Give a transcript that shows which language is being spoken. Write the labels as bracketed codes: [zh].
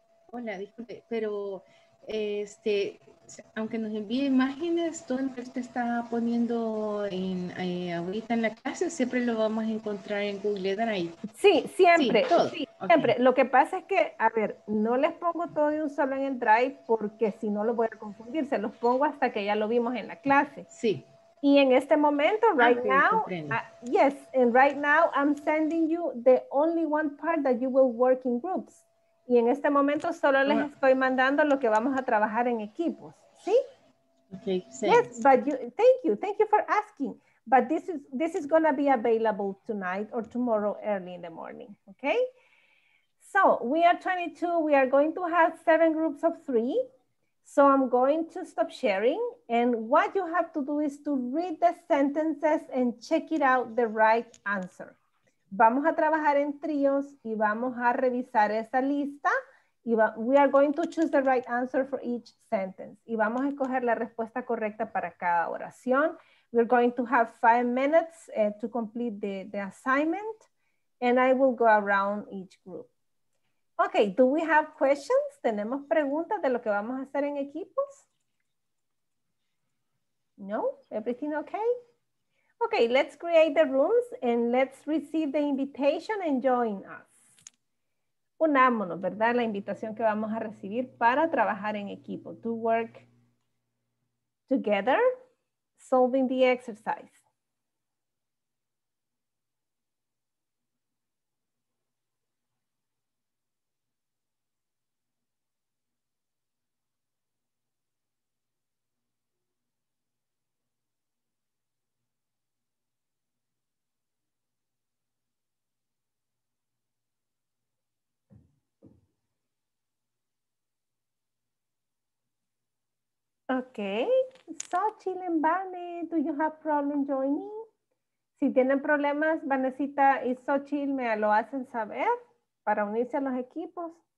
[es] Hola, disculpe, pero este, aunque nos envíe imágenes, todo lo que usted está poniendo en, ahorita en la clase, siempre lo vamos a encontrar en Google Drive. Sí, siempre. Sí, sí, siempre. Okay. Lo que pasa es que, a ver, no les pongo todo de un solo en el Drive porque si no lo voy a confundir, se los pongo hasta que ya lo vimos en la clase. Sí. Y en este momento, [en] right now, yes, and right now I'm sending you the only one part that you will work in groups. [es] Y en este momento solo les estoy mandando lo que vamos a trabajar en equipos, ¿sí? [en] Okay, yes, but you, thank you for asking. But this is going to be available tonight or tomorrow early in the morning, okay? So we are 22, we are going to have 7 groups of 3. So I'm going to stop sharing. And what you have to do is to read the sentences and check it out the right answer. [es] Vamos a trabajar en tríos y vamos a revisar esa lista. [en] Y we are going to choose the right answer for each sentence. [es] Y vamos a escoger la respuesta correcta para cada oración. [en] We're going to have 5 minutes to complete the assignment. And I will go around each group. Okay, do we have questions? [es] ¿Tenemos preguntas de lo que vamos a hacer en equipos? [en] No? Everything okay? Okay, let's create the rooms and let's receive the invitation and join us. [es] Unámonos, ¿verdad? La invitación que vamos a recibir para trabajar en equipo. [en] To work together, solving the exercise. Okay, so Chile and Vane, do you have problem joining? [es] Si tienen problemas, Vanesita y Xochitl, me lo hacen saber para unirse a los equipos.